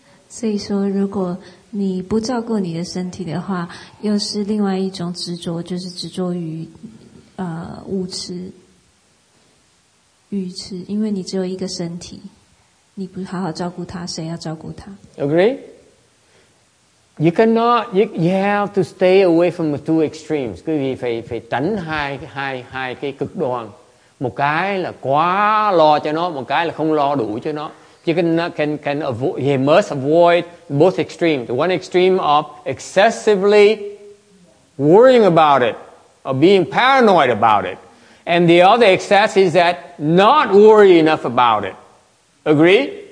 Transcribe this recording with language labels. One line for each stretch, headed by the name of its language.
Chinese: 所以说，如果你不照顾你的身体的话，又是另外一种执着，就是执着于物质、欲吃，因为你只有一个身体，你不好好照顾它，谁要照顾它
English: ？Agree. You cannot. You have to stay away from the two extremes.
Vietnamese: Quý vị phải tránh hai cái cực đoan. Một cái là quá lo cho nó, một cái là không lo đủ cho nó.
English: You can avoid, you must avoid both extremes. One extreme of excessively worrying about it, or being paranoid about it. And the other excess is that not worry enough about it. Agree?